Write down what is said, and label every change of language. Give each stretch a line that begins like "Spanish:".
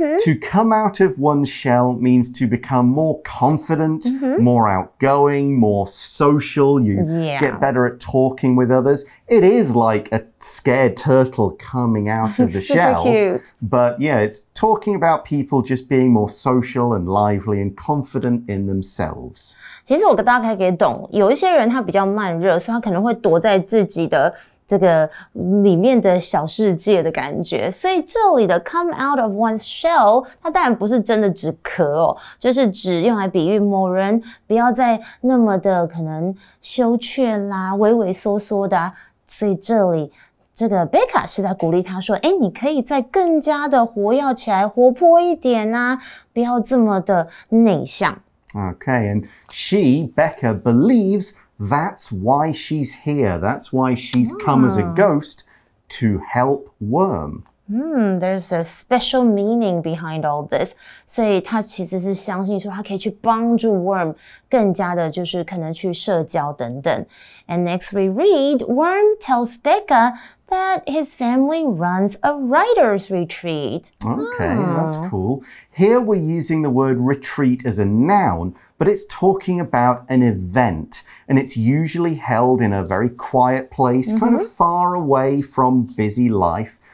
English: To come out of one's shell means to become more confident, more outgoing, more social. You get better at talking with others. It is like a scared turtle coming out of the shell. Super cute. But yeah, it's talking about people just being more social and lively and confident in themselves.
Chinese: 其实我大概可以懂，有一些人他比较慢热，所以他可能会躲在自己的这个里面的小世界的感觉。所以这里的
English: come out of one's shell,
Chinese: 它当然不是真的指壳哦，就是指用来比喻某人不要再那么的可能羞怯啦，畏畏缩缩的、啊。所以这里这个 Becca 是在鼓励他说，诶，你可以再更加的活跃起来，活泼一点啊，不要这么的内向。
English: Okay, and she, Becca, believes that's why she's here. That's why she's come as a ghost to help Worm. There's a special meaning behind all this.
Chinese: 所以她其实是相信说她可以去帮助 Worm 更加的就是可能去社交等等。
English: And next we read, Worm tells Becca that his family runs a writer's retreat. Okay, that's cool. Here we're using the word retreat as a noun, but it's talking about an event, and it's usually held in a very quiet place, kind of far away from busy life.